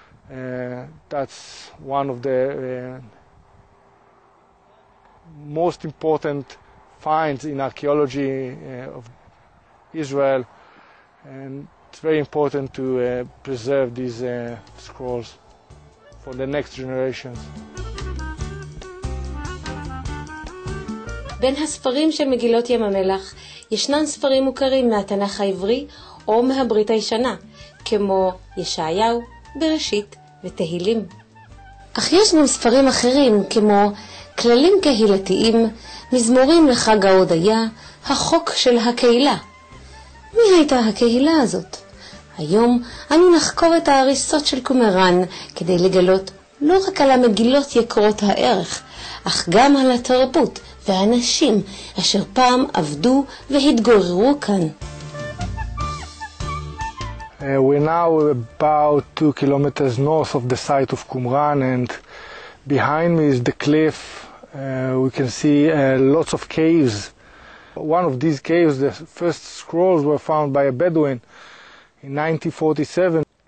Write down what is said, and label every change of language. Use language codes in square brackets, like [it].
[en] That's one of the most important finds in archaeology of Israel, and it's very important to preserve these scrolls for the next generations. [he] בין הספרים של מגילות ים המלח ישנם ספרים מוכרים מהתנך העברי או מהברית הישנה, כמו ישעיהו, בראשית ותהילים. אך יש גם ספרים אחרים, כמו כללים קהילתיים, מזמורים לחג ההודיה, החוק של הקהילה. מי הייתה הקהילה הזאת? היום אנו נחקור את ההריסות של קומראן כדי לגלות לא רק על המגילות יקרות הערך, אך גם על התרבות והאנשים אשר פעם עבדו והתגוררו כאן. [en] We're now about 2 kilometers north of the site of Qumran, and behind me is the cliff. We can see lots of caves. One of these caves, the first scrolls were found by a Bedouin in 1947.